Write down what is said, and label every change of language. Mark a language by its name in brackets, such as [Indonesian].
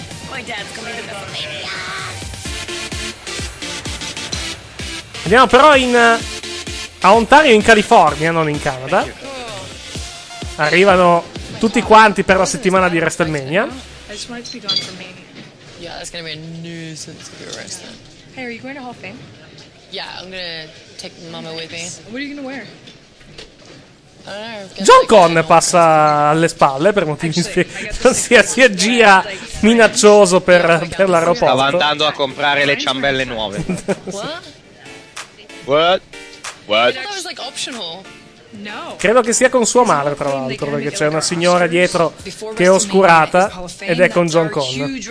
[English] My dad's coming to Canada. [Italian] Andiamo però a Ontario, in California, non in Canada. Arrivano tutti quanti per la settimana di WrestleMania. [English] I just wanted to be gone for Mania. Yeah, that's gonna be a nuisance if you're wrestling. Hey, are you going to Hall of Fame? Yeah, I'm gonna take Mama with me. What are you gonna wear? [Italian] John Conn passa alle spalle per motivi si aggira minaccioso per l'aeroporto. Stava andando a comprare le ciambelle nuove. [English] What? What? What? I thought it was like optional. [Italian] Credo che sia con sua madre, tra l'altro, perché c'è una signora dietro che è oscurata ed è con John Connor.